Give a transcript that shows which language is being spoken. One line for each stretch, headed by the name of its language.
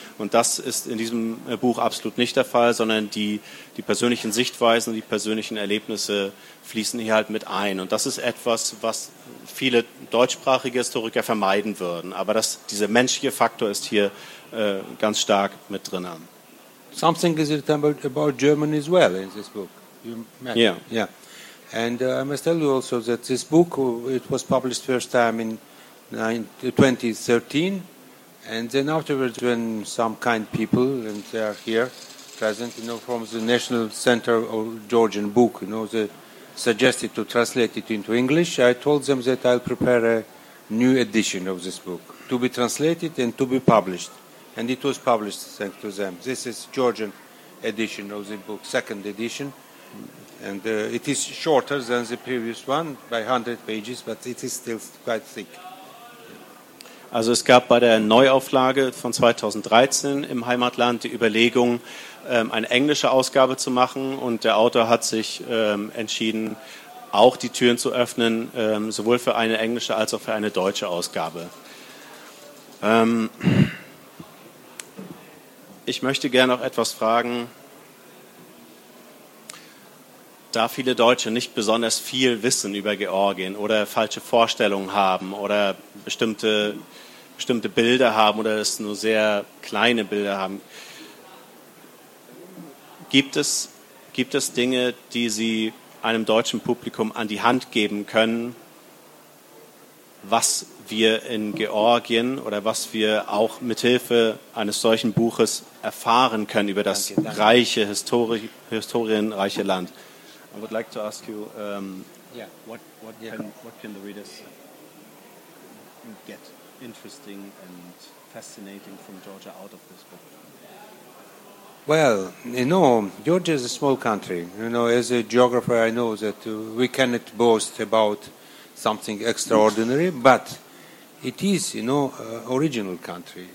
German: Und das ist in diesem Buch absolut nicht der Fall, sondern die persönlichen Sichtweisen und die persönlichen Erlebnisse fließen hier halt mit ein. Und das ist etwas, was viele deutschsprachige Historiker vermeiden würden. Aber dieser menschliche Faktor ist hier ganz stark mit drin.
English: Something is written about Germany as well in this book. You mentioned. Yeah. Yeah. And I must tell you also that this book, it was published first time in 2013. And then afterwards, when some kind people, and they are here present, you know, from the National Center of Georgian Book, you know, they suggested to translate it into English. I told them that I'll prepare a new edition of this book to be translated and to be published. And it was published, thanks to them. This is Georgian edition of the book, second edition. And it is shorter than the previous one by 100 pages, but it is still quite thick.
German: Also es gab bei der Neuauflage von 2013 im Heimatland die Überlegung, eine englische Ausgabe zu machen. Und der Autor hat sich entschieden, auch die Türen zu öffnen, sowohl für eine englische als auch für eine deutsche Ausgabe. Ich möchte gerne noch etwas fragen. Da viele Deutsche nicht besonders viel wissen über Georgien oder falsche Vorstellungen haben oder bestimmte Bilder haben oder es nur sehr kleine Bilder haben, gibt es Dinge, die Sie einem deutschen Publikum an die Hand geben können, was wir in Georgien oder was wir auch mithilfe eines solchen Buches erfahren können über das reiche, historienreiche Land?
English: I would like to ask you, what can the readers get interesting and fascinating from Georgia out of this book? Well, you know, Georgia is a small country. You know, as a geographer, I know that we cannot boast about something extraordinary, but it is, you know, original country.